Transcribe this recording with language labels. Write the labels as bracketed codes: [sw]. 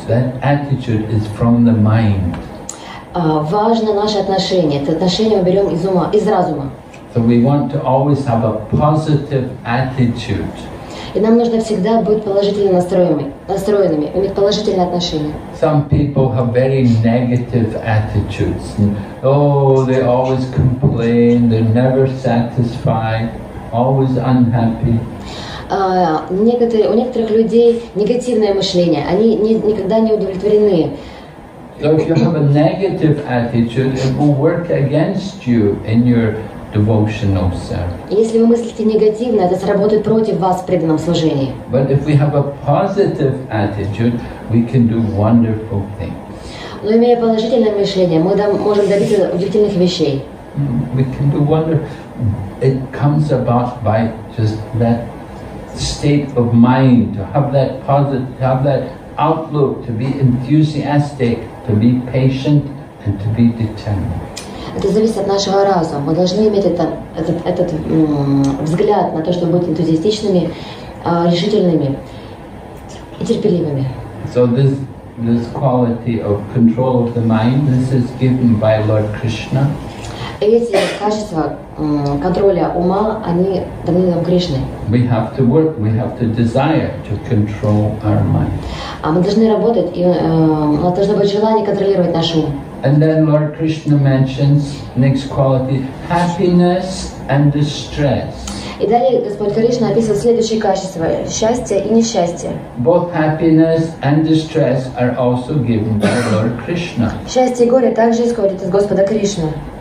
[en] That attitude is from the mind. [ru] Важно наше отношение. Это отношение мы берем из ума, из разума. [en] So we want to always have a positive attitude. [ru] И нам нужно всегда быть положительно настроенными, иметь положительные отношения. [en] Some people have very negative attitudes. Oh, they always complain, they're never satisfied, always unhappy. [ru] У некоторых людей негативное мышление, они никогда не удовлетворены. [en] So if you have a negative attitude, it will work against you in your devotional service. [ru] Если вы мыслите негативно, это сработает против вас в преданном служении. [en] But if we have a positive attitude, we can do wonderful things. [ru] Но имея положительное мышление, мы можем добиться удивительных вещей. [en] We can do wonderful. It comes about by just that state of mind, to have that positive, to have that outlook, to be enthusiastic, to be patient, and to be determined. [ru] Это зависит от нашего разума. Мы должны иметь этот взгляд на то, чтобы быть энтузиастичными, решительными и терпеливыми. [en] So this quality of control of the mind, this is given by Lord Krishna. [ru] Эти качества контроля ума, они даны нам Кришной. [en] We have to work, we have to desire to control our mind. [ru] А мы должны работать, и у нас должно быть желание контролировать наш ум. [en] And then Lord Krishna mentions next quality, happiness and distress. [ru] И далее Господь Кришна описывает следующие качества, счастье и несчастье. [en] Both happiness and distress are also given by Lord Krishna. [ru] Счастье и горе также исходят из Господа Кришны.